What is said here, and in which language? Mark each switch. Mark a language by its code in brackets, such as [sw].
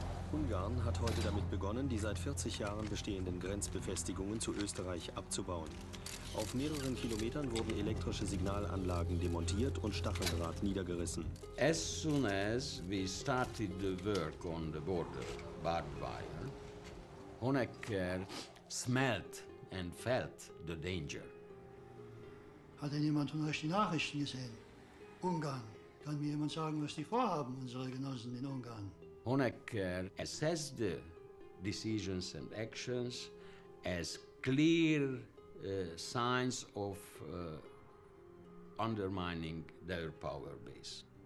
[de] Ungarn hat heute damit begonnen, die seit 40 Jahren bestehenden Grenzbefestigungen zu Österreich abzubauen. Auf mehreren Kilometern wurden elektrische Signalanlagen demontiert und Stacheldraht niedergerissen. [en] As soon as we started the work on the border, barbed wire, Honecker smelt and felt the danger. [de] Hat denn jemand von euch die Nachrichten gesehen? Ungarn. Kann mir jemand sagen, was die vorhaben, unsere Genossen in Ungarn? [en] Honecker assessed the decisions and actions as clear signs of undermining their power base.